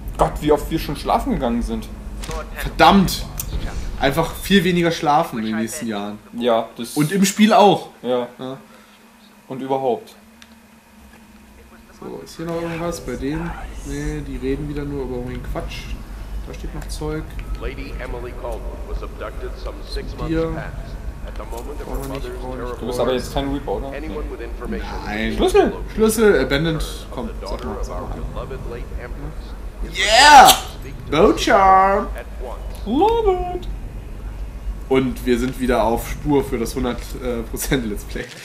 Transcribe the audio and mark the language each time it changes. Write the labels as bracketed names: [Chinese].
[German] Gott, wie oft wir schon schlafen gegangen sind. Verdammt! Einfach viel weniger schlafen in den nächsten Jahren. Ja, das... Und im Spiel auch. Ja. Ja. Und überhaupt. So, ist hier noch irgendwas bei denen? Nee, die reden wieder nur über irgendeinen Quatsch. Da steht noch Zeug. [English] Lady Emily Caldwell was abducted some 6 months past. At the moment of her mother's... [German] Du bist aber jetzt kein Reaper, oder? Nein. Nein. Schlüssel! Schlüssel! Abandoned! Komm, sag mal, [English] Yeah! Boat Charm! Love it! [German] Und wir sind wieder auf Spur für das 100% Let's Play.